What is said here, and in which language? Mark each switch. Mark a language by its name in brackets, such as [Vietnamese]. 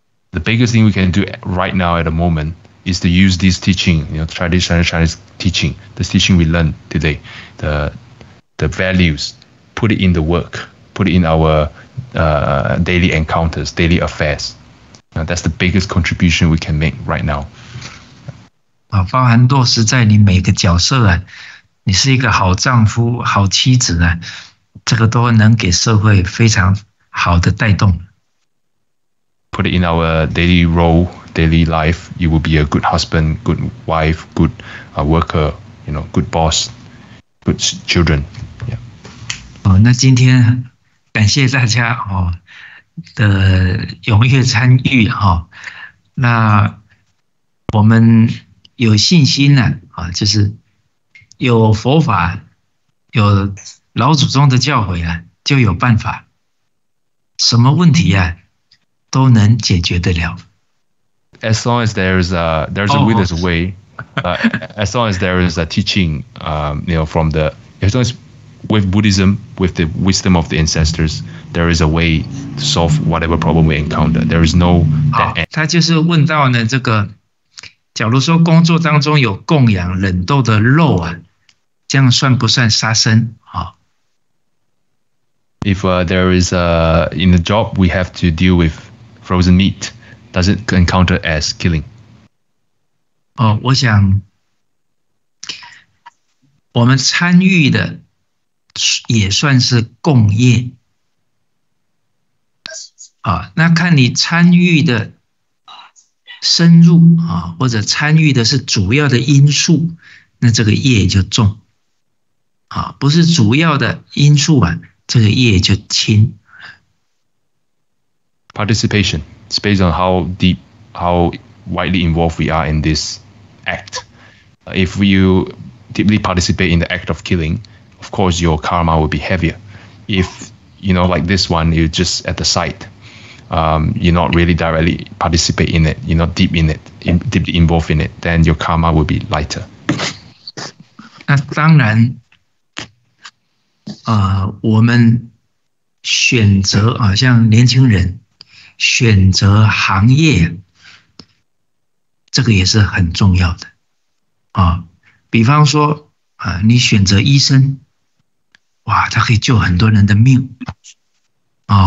[English] The biggest thing we can do right now at the moment is to use this teaching, traditional Chinese teaching, this teaching we learned today, the values, put it in the work, put it in our daily encounters, daily affairs. Now, that's the biggest contribution we can make right now. [Chinese] 啊，包含落实在你每个角色啊。你是一个好丈夫、好妻子呢，这个都能给社会非常好的带动。 [English] Put it in our daily role, daily life, you will be a good husband, good wife, good worker, good boss, good children. Yeah. [Chinese] 哦，那今天感谢大家哦的踊跃参与哈、哦，那我们有信心呢、啊，就是。有佛法，有老祖宗的教诲啊，就有办法，什么问题啊都能解决得了。 [English] As long as there is a teaching, from the as long as with Buddhism, with the wisdom of the ancestors, there is a way to solve whatever problem we encounter. There is no. [Chinese] 好，他就是问到呢这个，假如说工作当中有供养冷冻的肉啊。这样算不算杀生、哦、 [English] If there is a in the job we have to deal with frozen meat, does it encounter as killing? [Chinese] 哦，我想我们参与的也算是共业、哦、那看你参与的深入、哦、或者参与的是主要的因素，那这个业就重。啊，不是主要的因素啊，这个业就轻。 [English] Participation is based on how deep, how widely involved we are in this act. If you deeply participate in the act of killing, of course your karma will be heavier. If like this one, you're just at the site, you're not really directly participate in it, you're not deep in it, deeply involved in it, then your karma will be lighter. [Chinese] 那当然。我们选择啊，像年轻人选择行业，这个也是很重要的啊。比方说啊，你选择医生，哇，他可以救很多人的命啊。